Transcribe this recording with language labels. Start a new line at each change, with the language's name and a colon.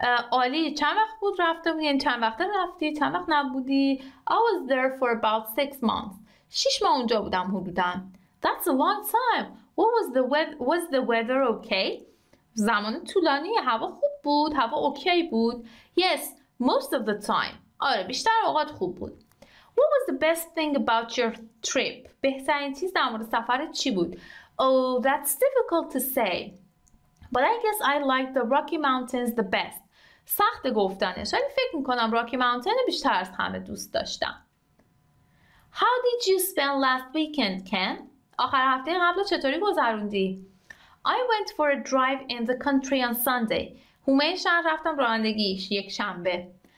Persian: عالی، چند وقت بود رفته بودی؟ چند وقت رفتی؟ چند وقت نبودی؟
English: I was there for about 6 months.
Persian: 6 ماه اونجا بودم حدودا.
English: That's a long time. Was the weather okay?
Persian: زمان طولانی، هوا خوب بود، هوا اوکی بود.
English: Yes, most of the time.
Persian: آره، بیشتر اوقات خوب بود.
English: What was the best thing about your trip?
Persian: بهترین چیز در مورد سفرت چی بود؟
English: Oh, that's difficult to say. But I guess I like the Rocky Mountains the best.
Persian: سخت گفتنش، ولی فکر میکنم Rocky Mountain بیشتر از همه دوست داشتم.
English: How did you spend last weekend, Ken?
Persian: آخر هفته قبل چطوری گذروندی؟
English: I went for a drive in the country on Sunday.
Persian: هومه شهر رفتم رانندگیش یک شنبه.